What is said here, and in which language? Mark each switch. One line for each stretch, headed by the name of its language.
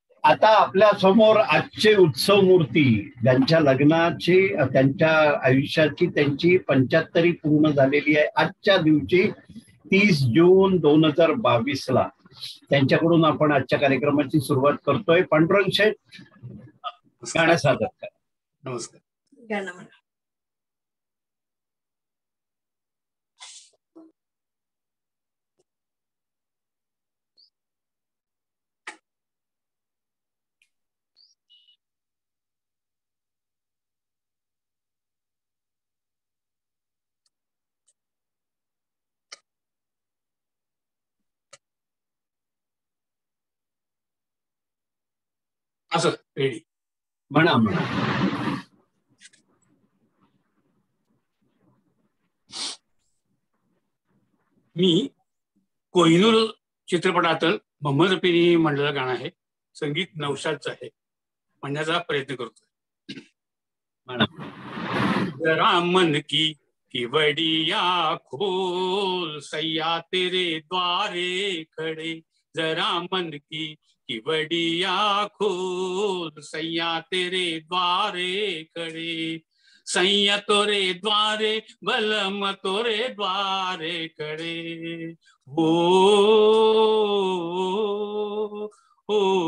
Marathi: आता आपल्या समोर आजचे उत्सव मूर्ती, त्यांच्या लग्नाची, त्यांच्या आयुष्याची, त्यांची 75 पूर्ण झालेली आहे आजच्या दिवशी 30 जून 2022 ला। त्यांच्याकडून आपण आजच्या कार्यक्रमाची सुरुवात करतोय। पांडुरंग शेठ गाणं सादर करा। नमस्कार। म्हणा म्हणा मी कोहिनूर चित्रपटातलं मोहम्मद रफीने म्हणलेलं गाणं आहे, संगीत नौशादचं आहे, म्हणण्याचा प्रयत्न करतोय।
Hindi: जरा मन की किवडिया खोल सैया तेरे द्वारे खडे, जरा मन की किवडिया खोल सैया तेरे द्वारे खडे, संयत तोरे द्वारे बलम तोरे द्वारे कड़े, हो हो